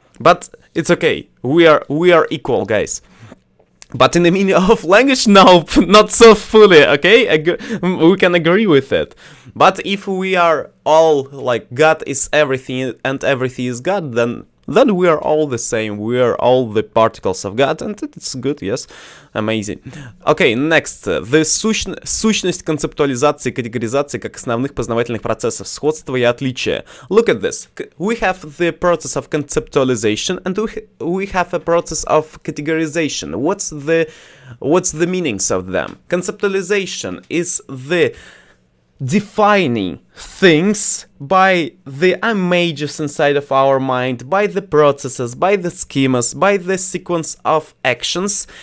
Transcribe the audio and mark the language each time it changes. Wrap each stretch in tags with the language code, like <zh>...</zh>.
<en>But it's okay, we are equal, guys. But in the meaning of language, no, not so fully, okay? We can agree with it. But if we are all, like, God is everything and everything is God, then we are all the same. We are all the particles of God, and it's good, yes? Amazing. Okay, next.</en> <ru>The сущность концептуализации, категоризации как основных познавательных процессов, сходство и отличие.</ru> <en>Look at this. We have the process of conceptualization, and we have a process of categorization. What's the meanings of them? Conceptualization is the defining things by the images inside of our mind, by the processes, by the schemas, by the sequence of actions.</en>